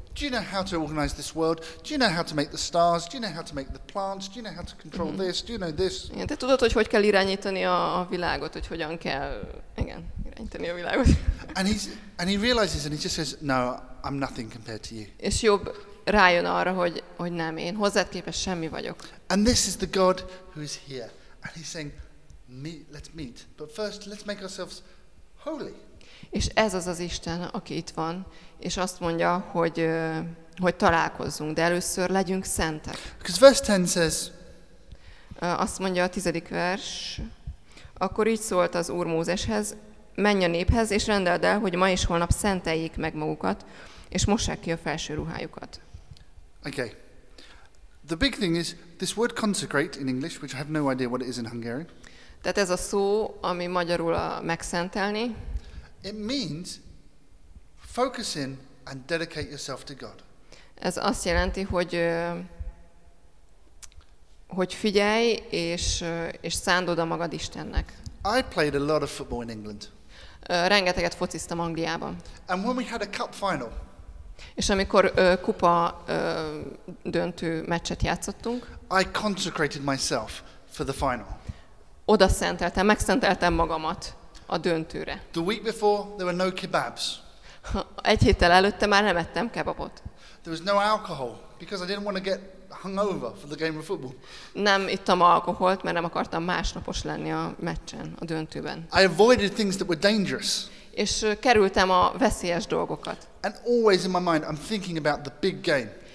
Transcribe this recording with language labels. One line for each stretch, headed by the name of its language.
English: Do you know how to organize this world? Do you know how to make the stars? Do you know how to make the plants? Do you know how to control this? Do you know this?
Hungarian: Igen, te tudod, hogy kell irányítani a világot, hogy hogyan kell, igen, irányítani a világot.
English: And he realizes and he just says, no, I'm nothing compared to you.
Hungarian: És Jobb rájön arra, hogy nem, én hozzád képest semmi vagyok.
English: And this is the God who is here. And he's saying, let's meet, but first let's make ourselves holy.
Hungarian: És ez az az Isten, aki itt van, és azt mondja, hogy találkozzunk, de először legyünk szentek.
English: Because verse 10 says,
Hungarian: azt mondja a 10. vers, akkor így szólt az Úr Mózeshez, menj a néphez, és rendeld el, hogy ma és holnap szenteljék meg magukat, és mossák ki a felső ruhájukat.
English: Okay. The big thing is, this word consecrate in English, which I have no idea what it is in Hungarian.
Hungarian: Tehát ez a szó, ami magyarul a megszentelni.
English: It means focus in and dedicate yourself to God.
Hungarian: Ez azt jelenti, hogy figyelj és szánd oda magad Istennek.
English: I played a lot of football in England.
Hungarian: Rengeteget fociztam Angliában.
English: And when we had a cup final.
Hungarian: És amikor kupa döntő meccset játszottunk.
English: I consecrated myself for the final.
Hungarian: Oda szenteltem, megszenteltem magamat a döntőre.
English: The week before there were no kebabs.
Hungarian: Egy héttel előtte már nem ettem kebabot.
English: There was no alcohol because I didn't want to get hungover for the game of football.
Hungarian: Nem ittam alkoholt, mert nem akartam másnapos lenni a meccsen, a döntőben.
English: I avoided things that were dangerous.
Hungarian: És kerültem a veszélyes dolgokat.
English: And always in my mind I'm thinking about the big game.